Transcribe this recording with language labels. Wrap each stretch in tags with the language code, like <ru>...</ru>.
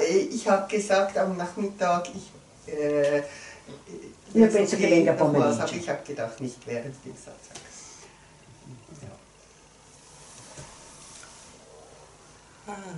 <de>Ich habe gesagt am Nachmittag,</de> <it>io penso che venga pomeriggio.</it> <de>Ich habe gedacht, nicht während dem Satz. Ah.</de>